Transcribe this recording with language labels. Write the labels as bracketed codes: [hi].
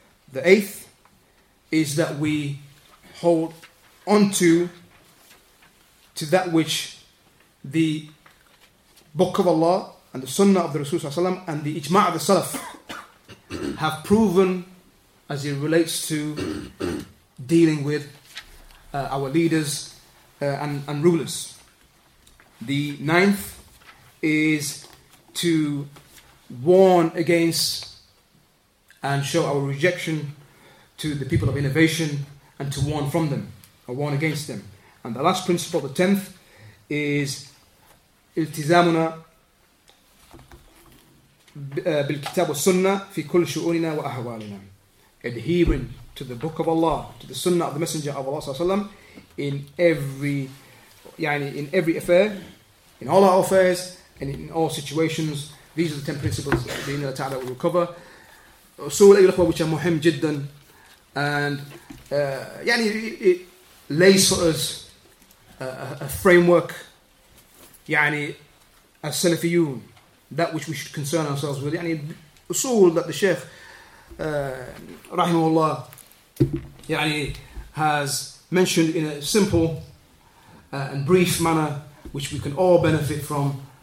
[en] The eighth is that we hold on to that which the Book of Allah and the Sunnah of the Rasul ﷺ and the Ijma' of the Salaf have proven as it relates to dealing with our leaders and rulers. The ninth is to warn against and show our rejection to the people of innovation, and to warn from them, or warn against them. And the last principle, the tenth, is [ar] التزامنا بالكتاب والسنة في كل شؤوننا وأحوالنا. [en] Adhering to the Book of Allah, to the Sunnah of the Messenger of Allah ﷺ, in every affair, in all our affairs, and in all situations. These are the 10 principles that Allah Ta'ala will cover. [ar] أصول أيها الأخوة, [en] which are [ar] muhim جدا. [en] And it lays for us a framework, yani, as Salafiyun, that which we should concern ourselves with. Yani, usul that the Shaykh, rahimahullah, yani, has mentioned in a simple and brief manner, which we can all benefit from.